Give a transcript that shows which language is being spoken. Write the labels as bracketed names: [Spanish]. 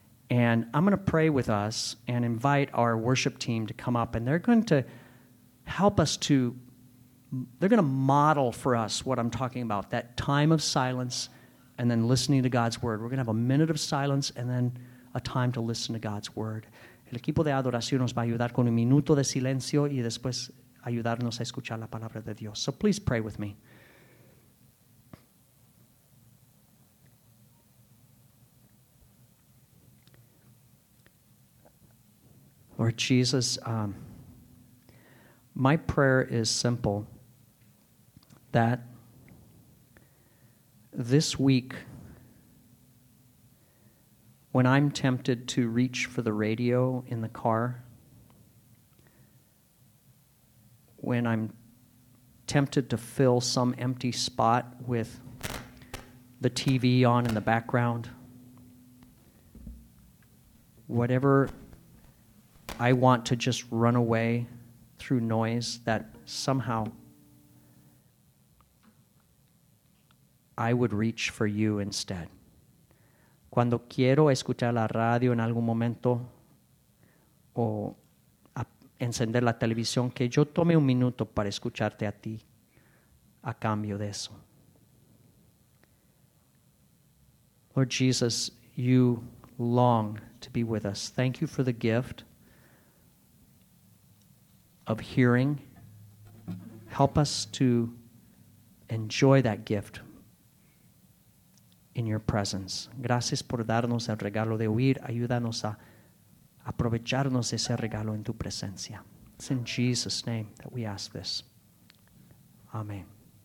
[English] And I'm going to pray with us and invite our worship team to come up. And they're going to help us to, they're going to model for us what I'm talking about, that time of silence and then listening to God's word. We're going to have a minute of silence and then a time to listen to God's word. [Spanish] El equipo de adoración nos va a ayudar con un minuto de silencio y después ayudarnos a escuchar la palabra de Dios. [English] So please pray with me. Lord Jesus, my prayer is simple, that this week, when I'm tempted to reach for the radio in the car, when I'm tempted to fill some empty spot with the TV on in the background, whatever I want to just run away through noise, that somehow I would reach for you instead. [Spanish] Cuando quiero escuchar la radio en algún momento o encender la televisión, que yo tome un minuto para escucharte a ti a cambio de eso. [English] Lord Jesus, you long to be with us. Thank you for the gift of hearing. Help us to enjoy that gift in your presence. [Spanish] Gracias por darnos el regalo de oír. Ayúdanos a aprovecharnos ese regalo en tu presencia. [English] It's in Jesus' name that we ask this. Amen.